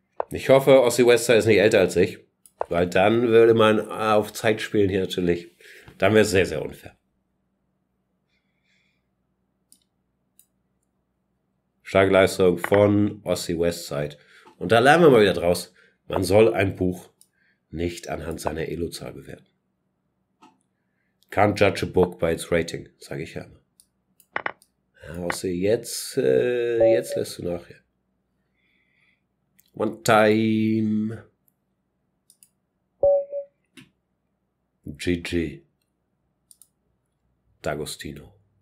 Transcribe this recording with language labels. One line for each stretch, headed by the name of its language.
German: Ich hoffe, Ossi Westside ist nicht älter als ich, weil dann würde man auf Zeit spielen hier natürlich. Dann wäre es sehr, sehr unfair. Starke Leistung von Ossi Westside. Und da lernen wir mal wieder draus, man soll ein Buch nicht anhand seiner Elo-Zahl bewerten.
English: Can't judge a book by its rating, sage ich ja immer.
German: Ja, Ossi, jetzt lässt du nach.
English: Ja. One time. GG. D'Agostino.